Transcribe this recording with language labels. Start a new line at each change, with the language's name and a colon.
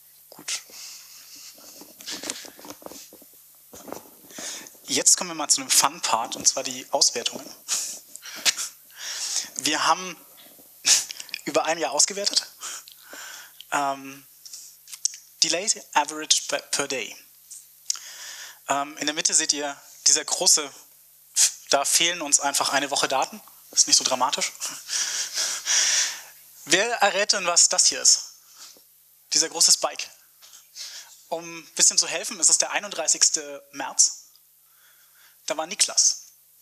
German: Gut. Jetzt kommen wir mal zu einem Fun-Part, und zwar die Auswertungen. Wir haben über ein Jahr ausgewertet.
English: Delays averaged per day.
German: In der Mitte seht ihr dieser große, da fehlen uns einfach eine Woche Daten. Ist nicht so dramatisch. Wer errät denn, was das hier ist? Dieser große Spike. Um ein bisschen zu helfen, ist es der 31. März. Da war Niklas.